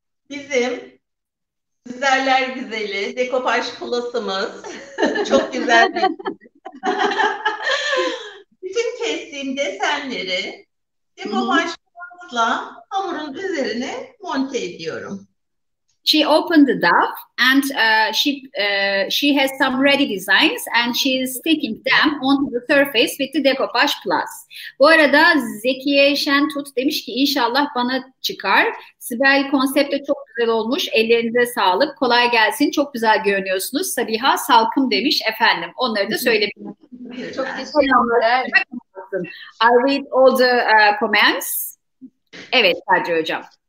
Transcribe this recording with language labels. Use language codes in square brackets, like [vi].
[tr] Bizim güzeller güzeli Decoupage Plus'ımız çok güzel bir bütün kestiğim desenleri Decoupage Plus'la hamurun üzerine monte ediyorum. [en] She opened it up and she has some ready designs and she's sticking them onto the surface with the Decoupage Plus. [tr] Bu arada Zekiye Şentut demiş ki inşallah bana çıkar. Sibel konsept de çok güzel olmuş. Ellerinize sağlık. Kolay gelsin. Çok güzel görünüyorsunuz. Sabiha Salkım demiş efendim. Onları da söylemek istiyorum. Çok teşekkürler. [en] I read all the comments. [tr] Evet [en] Sadri Hocam.